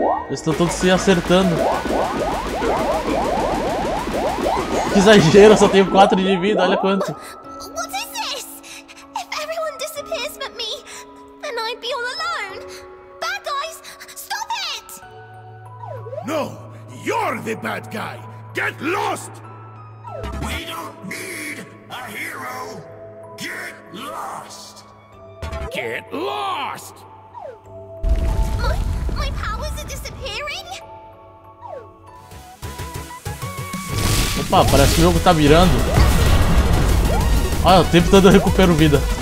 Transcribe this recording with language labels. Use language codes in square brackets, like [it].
[pt] Estão todos se acertando. Que exagero, só tenho 4 de vida, olha quanto. [en] What is this? If everyone disappears but me, then I'd be all alone. Bad guys, stop it! No, you're the bad guy. Get lost! We don't need a hero. Get lost! Get lost! My powers are disappearing? [pt] Opa, parece que o jogo tá virando. Olha, o tempo todo eu recupero vida.